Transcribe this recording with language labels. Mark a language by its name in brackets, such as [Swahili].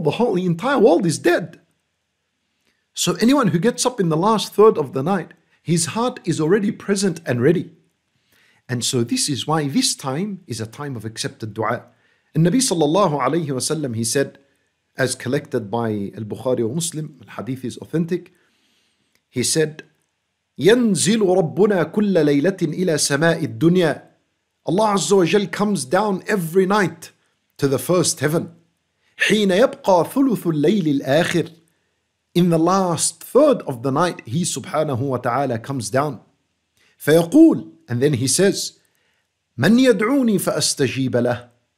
[English] The entire world is dead. So anyone who gets up in the last third of the night, his heart is already present and ready. And so this is why this time is a time of accepted dua. And Nabi sallallahu alayhi wa sallam, he said, as collected by al-Bukhari and Muslim, al-Hadith is authentic. He said, [Arabic] يَنْزِلُ رَبُّنَا كُلَّ لَيْلَةٍ إِلَى سَمَاءِ الدُّنْيَا. [English] Allah Azza wa Jal comes down every night to the first heaven. [Arabic] حِينَ يَبْقَى ثُلُثُ اللَّيْلِ الْآخِرِ. [English] In the last third of the night, he subhanahu wa ta'ala comes down. [Arabic] فيقول, [English] and then he says, [Arabic] مَنْ يَدْعُونِي فَأَسْتَجِيبَ لَهُ.